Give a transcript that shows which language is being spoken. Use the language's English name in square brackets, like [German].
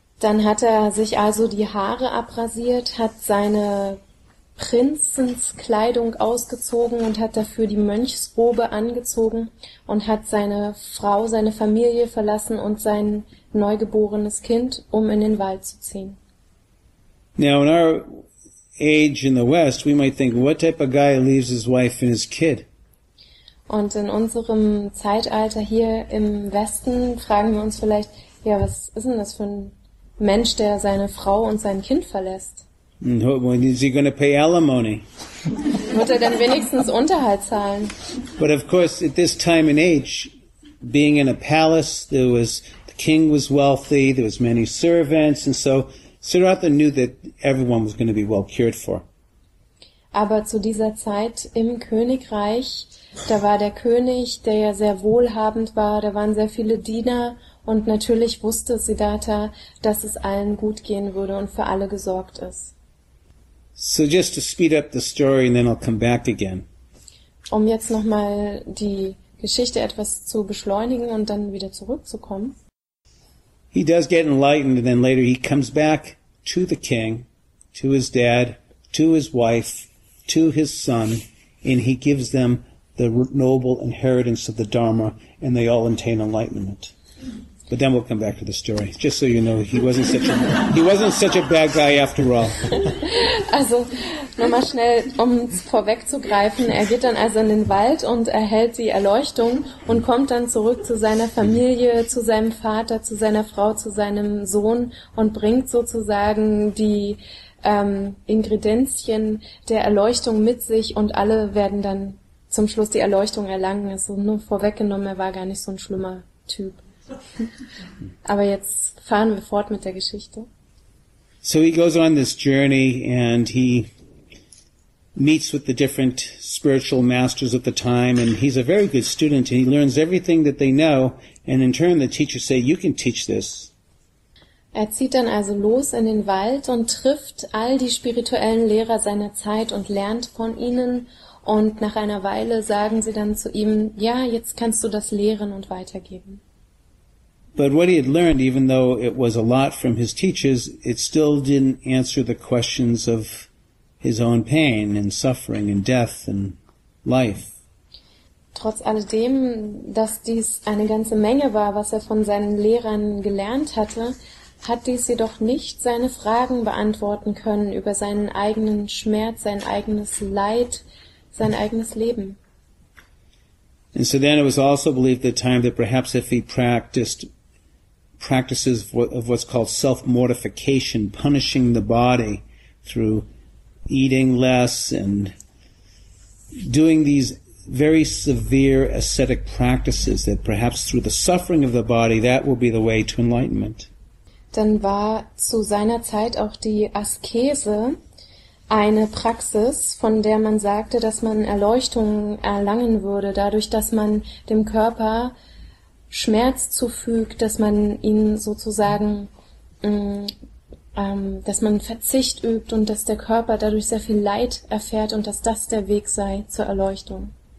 [German] Dann hat er sich also die Haare abrasiert, hat seine Prinzenskleidung ausgezogen und hat dafür die Mönchsrobe angezogen und hat seine Frau, seine Familie verlassen und sein neugeborenes Kind, um in den Wald zu ziehen. [English] Now in our age in the West, we might think, what type of guy leaves his wife and his kid? [German] Und in unserem Zeitalter hier im Westen fragen wir uns vielleicht, ja, was ist denn das für ein Mensch, der seine Frau und sein Kind verlässt? [English] When is he going to pay alimony? [German] Wird er dann wenigstens Unterhalt zahlen? [English] But of course, at this time and age, being in a palace, the king was wealthy, there was many servants, and so Siddhartha knew that everyone was going to be well cared for. [German] Aber zu dieser Zeit im Königreich, da war der König, der ja sehr wohlhabend war, da waren sehr viele Diener, und natürlich wusste Siddhartha, dass es allen gut gehen würde und für alle gesorgt ist. [English] So just to speed up the story, and then I'll come back again. [German] Um jetzt nochmal die Geschichte etwas zu beschleunigen und dann wieder zurückzukommen. [English] He does get enlightened, and then later he comes back to the king, to his dad, to his wife, to his son, and he gives them the noble inheritance of the Dharma, and they all attain enlightenment. But then we'll come back to the story. Just so you know, he wasn't such a bad guy after all. [German] Also, nochmal schnell, um es vorwegzugreifen. Er geht dann also in den Wald und erhält die Erleuchtung und kommt dann zurück zu seiner Familie, zu seinem Vater, zu seiner Frau, zu seinem Sohn und bringt sozusagen die Ingredienzien der Erleuchtung mit sich, und alle werden dann zum Schluss die Erleuchtung erlangen. Also nur vorweggenommen, er war gar nicht so ein schlimmer Typ. Aber jetzt fahren wir fort mit der Geschichte. [English] So he goes on this journey and he meets with the different spiritual masters at the time, and he's a very good student and he learns everything that they know, and in turn the teachers say, "You can teach this." [German] Er zieht dann also los in den Wald und trifft all die spirituellen Lehrer seiner Zeit und lernt von ihnen, und nach einer Weile sagen sie dann zu ihm, "Ja, jetzt kannst du das lehren und weitergeben." [English] But what he had learned, even though it was a lot from his teachers, it still didn't answer the questions of his own pain and suffering and death and life. [German] Trotz alledem, dass dies eine ganze Menge war, was von seinen Lehrern gelernt hatte, hat dies jedoch nicht seine Fragen beantworten können über seinen eigenen Schmerz, sein eigenes Leid, sein eigenes Leben. [English] And so then it was also believed at the time that perhaps if he practiced practices of what's called self-mortification, punishing the body through eating less and doing these very severe ascetic practices, that perhaps through the suffering of the body, that will be the way to enlightenment. [German] Dann war zu seiner Zeit auch die Askese eine Praxis, von der man sagte, dass man Erleuchtung erlangen würde, dadurch, dass man dem Körper Schmerz zufügt, dass man ihn sozusagen, dass man Verzicht übt und dass der Körper dadurch sehr viel Leid erfährt und dass das der Weg sei zur Erleuchtung.